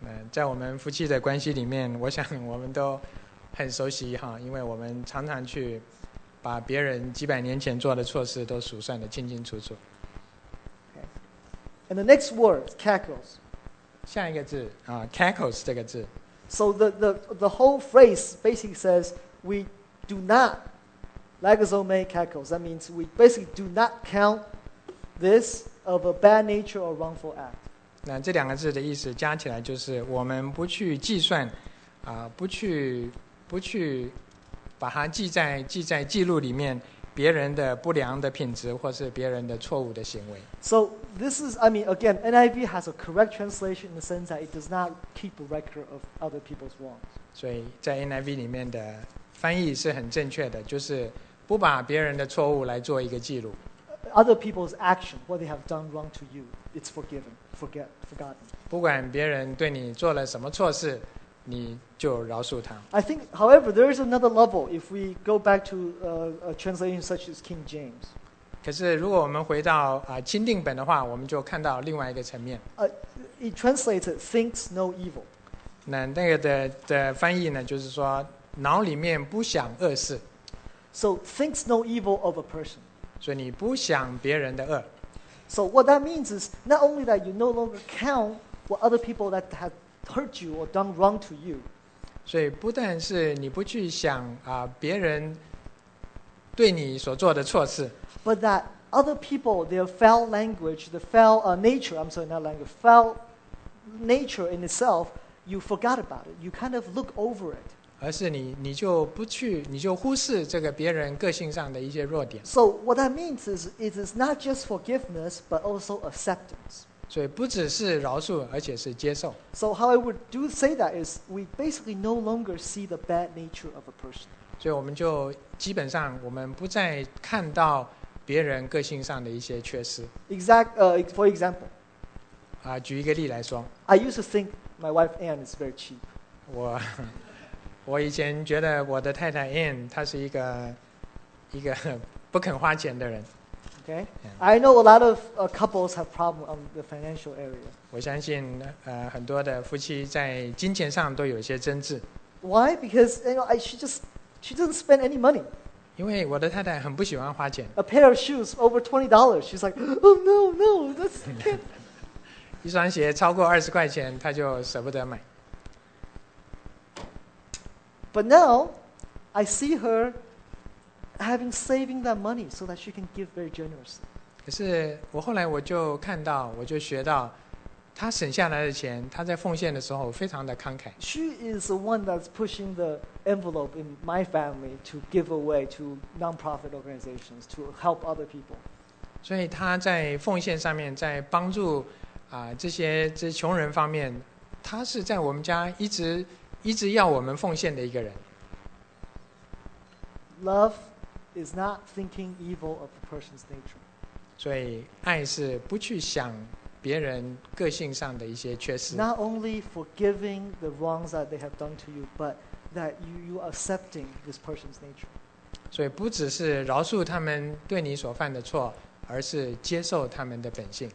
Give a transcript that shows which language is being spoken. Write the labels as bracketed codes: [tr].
[zh] 在我们夫妻的关系里面，我想我们都很熟悉哈，因为我们常常去把别人几百年前做的错事都数算得清清楚楚。 [en] Okay. And the next word, cackles. [zh] 下一个字cackles 这个字。 [en] So the whole phrase basically says we do not legazome cackles. That means we basically do not count this of a bad nature or wrongful act. [zh] 那这两个字的意思加起来就是我们不去计算不去把它记在记录里面，别人的不良的品质或是别人的错误的行为。 [en] So this is, I mean, again, NIV has a correct translation in the sense that it does not keep a record of other people's wrongs. [zh] 所以在 NIV 里面的翻译是很正确的，就是不把别人的错误来做一个记录。 [en] Other people's action, what they have done wrong to you, it's forgiven, forgotten. [zh] 不管别人对你做了什么错事，你就饶恕他。 [en] I think, however, there is another level if we go back to a translation such as King James. [zh] 可是如果我们回到钦定本的话，我们就看到另外一个层面。 [en] It translates it, thinks no evil. [zh] 那个 的翻译呢，就是说脑里面不想恶事。 [en] So thinks no evil of a person. [zh] 所以你不想别人的恶。 [en] So what that means is not only that you no longer count what other people that havehurt you or done wrong to you. [zh] 所以不但是你不去想别人对你所做的错事， [en] but that other people, their foul language, the foul nature, I'm sorry, not language, foul nature in itself, you forgot about it. You kind of look over it. [zh] 而是你就不去，你就忽视这个别人个性上的一些弱点。 [en] So what that means is it is not just forgiveness, but also acceptance. [zh] 所以不只是饶恕，而且是接受。 [en] So how I would do say that is we basically no longer see the bad nature of a person. [zh] 所以我们就基本上我们不再看到别人个性上的一些缺失。 [en] For example. [zh] 举一个例来说。 [en] I used to think my wife Anne is very cheap. [zh] 我以前觉得我的太太 Anne 她是一个不肯花钱的人。 [en] Okay. I know a lot of couples have problems on the financial area. [zh] 我相信很多的夫妻在金钱上都有一些争执。 [en] Why? Because you know, she doesn't spend any money. [zh] 因为我的太太很不喜欢花钱。 [en] A pair of shoes over $20. She's like, oh no, that's can't. [zh] 一双鞋超过二十块钱，她就舍不得买。 [en] But now, I see her. Having saving that money so that she can give very generously. [zh] 可是我后来我就看到，我就学到，她省下来的钱，她在奉献的时候非常的慷慨。 [en] She is the one that's pushing the envelope in my family to give away to non-profit organizations to help other people. [zh] 所以她在奉献上面，在帮助这些穷人方面，他是在我们家一直要我们奉献的一个人。 [en] Love is not thinking evil of the person's nature. [zh] 所以爱是不去想别人个性上的一些缺失。 [en] Not only forgiving the wrongs that they have done to you, but that you accepting this person's nature. [zh] 所以不只是饶恕他们对你所犯的错，而是接受他们的本性。